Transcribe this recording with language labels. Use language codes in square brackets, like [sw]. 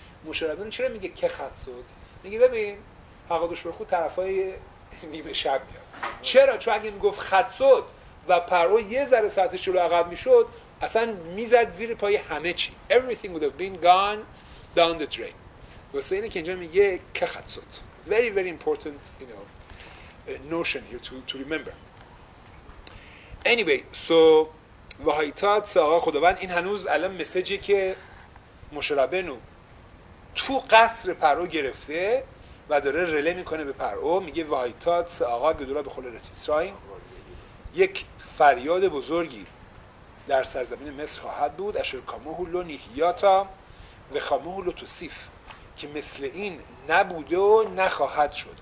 [fa] مشربین چرا میگه که خط سود؟ میگه ببین حقا دوش برخود طرف های نیمه شب میاد. چرا؟ چون اگه میگفت خط سود و پرو یه ذره ساعتش جلو عقب میشد اصلا میزد زیر پای همه چی، [en] everything would have been gone down the drain. [fa] واسه اینه که اینجا میگه که خط سود، [en] very very important you know, notion here to remember. Anyway, so [fa] و هایتات آقا خداوند، این هنوز الان مسیجی که مشربینو تو قصر پرو گرفته و داره رله میکنه به پرو، میگه وایتات آقا گدورا به خول رتیسرایم. یک فریاد بزرگی در سرزمین مصر خواهد بود، اشر کاموهولو نیهیاتا و کاموهولو توصیف، که مثل این نبوده و نخواهد شد.